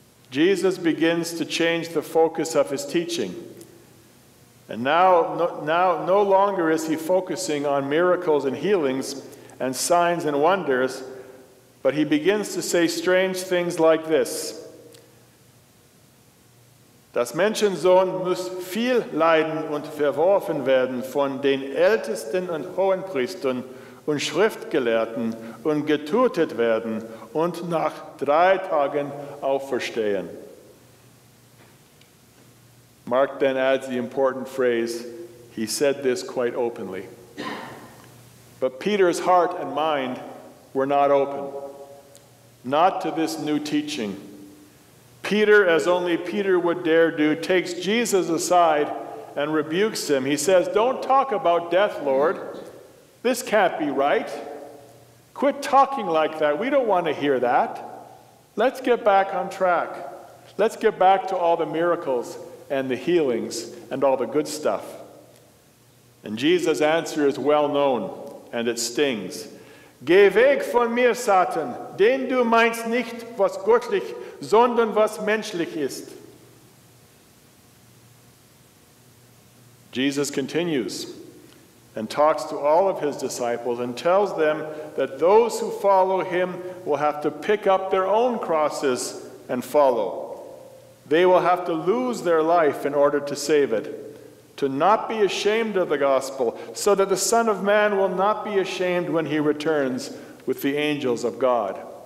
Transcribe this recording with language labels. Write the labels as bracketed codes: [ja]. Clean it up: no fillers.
[en] Jesus begins to change the focus of his teaching. And now no longer is he focusing on miracles and healings and signs and wonders, but he begins to say strange things like this. [de] Das Menschensohn muss viel leiden und verworfen werden von den Ältesten und Hohenpriestern und Schriftgelehrten und getötet werden und nach 3 Tagen auferstehen. [en] Mark then adds the important phrase, he said this quite openly. But Peter's heart and mind were not open, not to this new teaching. Peter, as only Peter would dare do, takes Jesus aside and rebukes him. He says, don't talk about death, Lord. This can't be right. Quit talking like that. We don't want to hear that. Let's get back on track. Let's get back to all the miracles and the healings and all the good stuff. And Jesus' answer is well known, and it stings. [de] Geh weg von mir, Satan, denn du meinst nicht, was göttlich, sondern was menschlich ist. [en] Jesus continues and talks to all of his disciples and tells them that those who follow him will have to pick up their own crosses and follow. They will have to lose their life in order to save it, to not be ashamed of the gospel, so that the Son of Man will not be ashamed when he returns with the angels of God.